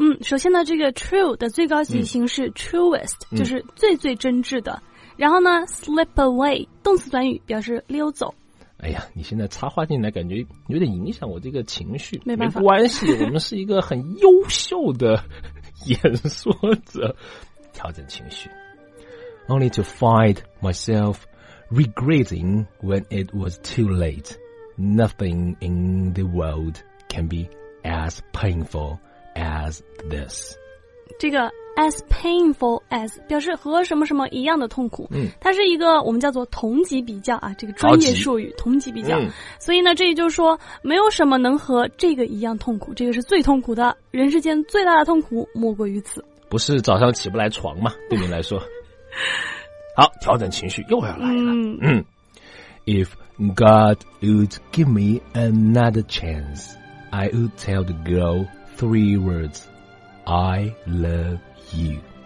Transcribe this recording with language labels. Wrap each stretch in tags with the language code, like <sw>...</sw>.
<zh>首先呢这个 true 的最高级形式 truest 就是最最真挚的，然后呢 sleep away 动词短语表示溜走。哎呀你现在插话进来感觉有点影响我这个情绪，没办法，没关系，我们是一个很优秀的演说者，调整情绪。</zh> <en>Only to find myself regretting when it was too late。 Nothing in the world can be as painful as this.</en> <zh>这个 as painful as 表示和什么什么一样的痛苦，它是一个我们叫做同级比较啊，这个专业术语同级比较。所以呢，这也就是说，没有什么能和这个一样痛苦，这个是最痛苦的，人世间最大的痛苦莫过于此。不是早上起不来床吗？对你来说，好，调整情绪又要来了。</zh> <en>If God would give me another chance, I would tell the girl three words, I love you.</en>